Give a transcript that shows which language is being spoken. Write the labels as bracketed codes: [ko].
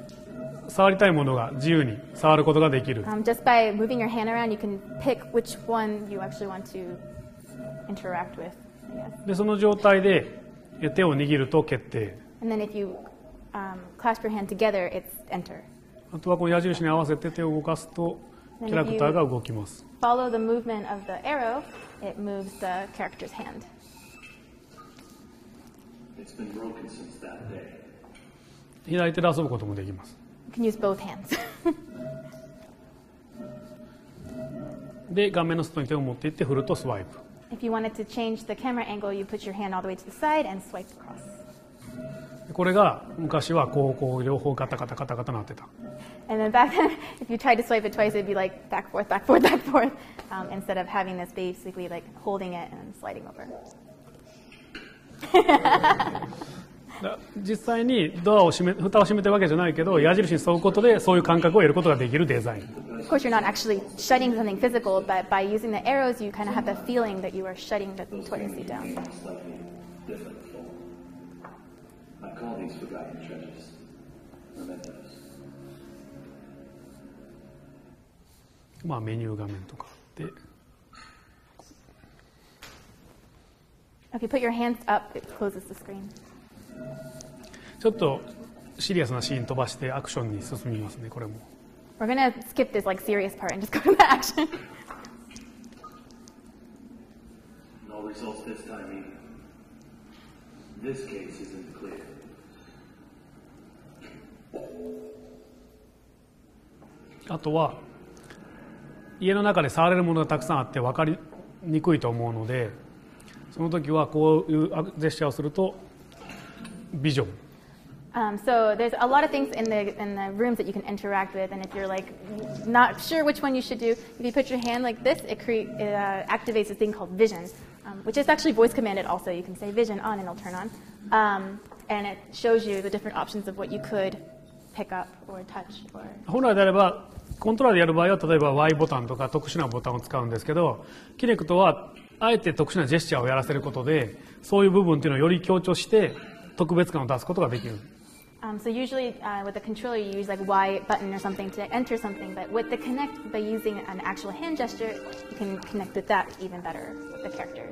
[ja] ディフォーが手をかざすだけで画面に触りたいものが自由に触ることができる。 [en] Just by moving your hand around, you can pick which one you actually want to interact with. [ja] で、その状態で手を握ると決定。 [en] And then if you clasp your hand together, it's enter. [ja] あとはこの矢印に合わせて手を動かすとキャラクターが動きます。 [en] Follow the movement of the arrow, it moves the character's hand. It's been broken since that day. [ja] 左手で遊ぶこともできます。 [en] You can use both hands. [ja] で、画面の外に手を持っていって振るとスワイプ。 [en] If you wanted to change the camera angle, you put your hand all the way to the side and swipe across. [ja] これが昔はこう両方ガタガタガタガタなってた。 [en] And then back then, if you tried to swipe it twice, it'd be like back forth, back forth, back forth, instead of having this basically like holding it and sliding over. [ja] 実際にドアを閉め蓋を閉めてるわけじゃないけど矢印に沿うことでそういう感覚を得ることができるデザイン。 [en] Of course, you're not actually shutting something physical, but by using the arrows, you kind of have the feeling that you are shutting the toilet down. [ja] まあメニュー画面とかで。 [en] Okay, put your hands up, it closes the screen. [ja] ちょっとシリアスなシーン飛ばしてアクションに進みますね、これも。 [en] We're gonna skip this like serious part and just go to the action. No results this time either. This case isn't clear. [ja] あとは家の中で触れるものがたくさんあって分かりにくいと思うので。その時はこういうジェスチャーをするとビジョン。 [en] So there's a lot of things in the rooms that you can interact with, and if you're like not sure which one you should do, if you put your hand like this, it activates a thing called vision, which is actually voice commanded. Also, you can say vision on and it'll turn on, and it shows you the different options of what you could pick up or touch. [ja] 本来であればコントローラーでやる場合は例えば Y ボタンとか特殊なボタンを使うんですけど、キネクトはあえて特殊なジェスチャーをやらせることで、そういう部分っていうのをより強調して特別感を出すことができる。 [en] So usually, with the controller, you use like Y button or something to enter something. But with the Kinect, by using an actual hand gesture, you can connect with that even better with the character.